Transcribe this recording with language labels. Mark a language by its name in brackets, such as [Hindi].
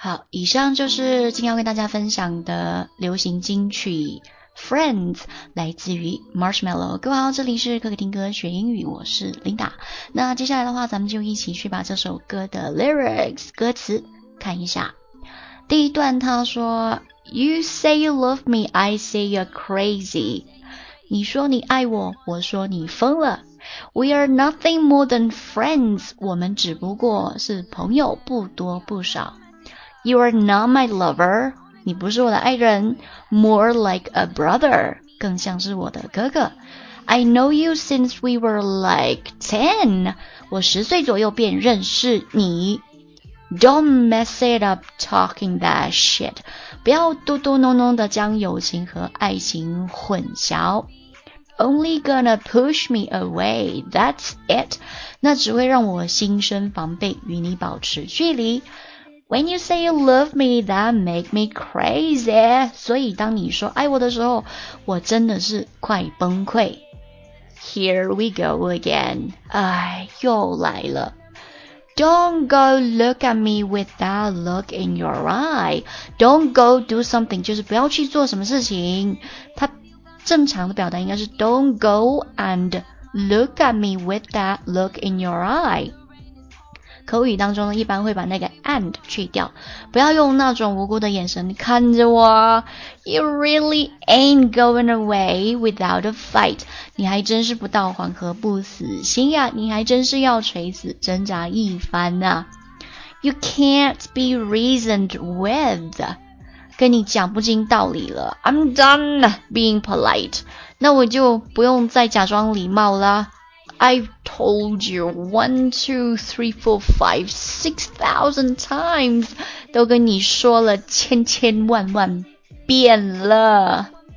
[Chinese] 以上就是今天要跟大家分享的流行金曲 Friends， 来自于 Marshmallow。各位好，这里是可可听歌学英语，我是 Linda。那接下来的话，咱们就一起去把这首歌的 lyrics 歌词看一下。第一段他说 [English] You say you love me, I say you're crazy。 [Chinese] 你说你爱我，我说你疯了。 [English] We are nothing more than friends， [Chinese] 我们只不过是朋友，不多不少。 [English] You are not my lover, [Chinese] 你不是我的爱人。 [English] More like a brother, [Chinese] 更像是我的哥哥。 [English] I know you since we were like 10, [Chinese] 我十岁左右便认识你。 [English] Don't mess it up talking that shit, [Chinese] 不要嘟嘟囔囔的将友情和爱情混淆。 [English] Only gonna push me away, that's it, [Chinese] 那只会让我心生防备，与你保持距离。 [English] When you say you love me, that make me crazy. [Chinese] 所以当你说爱我的时候，我真的是快崩溃。 [English] Here we go again. [Chinese] 哎，又来了。 [English] Don't go look at me with that look in your eye. Don't go do something, [Chinese] 就是不要去做什么事情。它正常的表达应该是 [English] Don't go and look at me with that look in your eye. [Chinese] 口语当中呢，一般会把那个 and 去掉，不要用那种无辜的眼神看着我。 [English] You really ain't going away without a fight. [Chinese] 你还真是不到黄河不死心呀，你还真是要垂死挣扎一番呐。 [English] You can't be reasoned with. [Chinese] 跟你讲不清道理了 [English] I'm done being polite [Chinese] 那我就不用再假装礼貌了 [English] I've told you 1, 2, 3, 4, 5, 6,000 times [Chinese] 都跟你说了千千万万遍了